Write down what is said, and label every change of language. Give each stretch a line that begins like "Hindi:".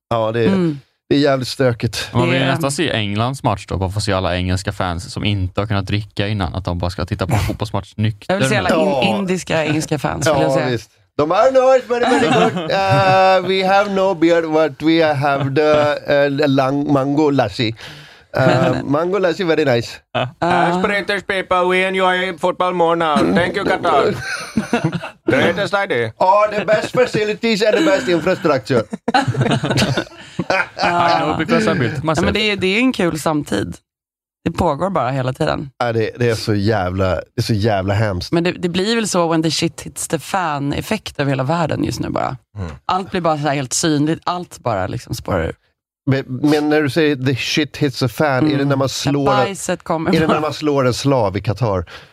Swedish: Ja, det är jävligt stökigt. Man vill nästan se Englands match då. Bara få se alla engelska fans som inte har kunnat dricka innan. Att de bara ska titta på en fotbollsmatch nykter. Jag vill se alla indiska engelska fans. Ja, jag säga. Visst. De är nöjda,
English: very, very good. We have no beer, but we have the mango lassi. Mango lassi, very nice. As British people, we enjoy football more now. Thank you, Qatar. Greatest idea. All the best facilities and the best infrastructure.
Swedish: Men det är en kul samtid. Det pågår bara hela tiden. Ja, det är så jävla hemskt. Men det blir väl så
English: when the shit hits the fan-
Swedish: effekt av hela världen just nu bara. Allt blir bara så här helt synligt. Allt bara liksom spårar ur. Men när du säger
English: the shit hits a fan,
Swedish: är det när man slår en slav i Qatar?